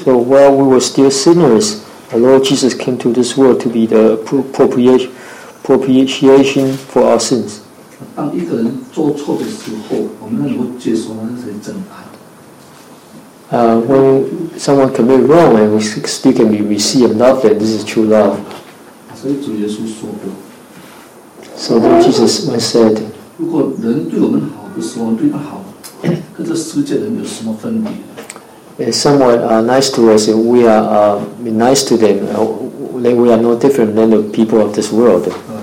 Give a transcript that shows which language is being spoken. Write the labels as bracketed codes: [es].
[en] So while we were still sinners, the Lord Jesus came to this world to be the propitiation for our sins. [zh] 当一个人做错的时候，我们能够接受那是真爱。 [en] When someone commit wrong and we still can be receive love, then this is true love. [zh] 所以主耶稣说过。 [en] So the Lord Jesus said, [zh] 如果人对我们好的时候，对他好，跟这世界人有什么分别？ [en] If someone nice to us, if we are nice to them, then we are no different than the people of this world.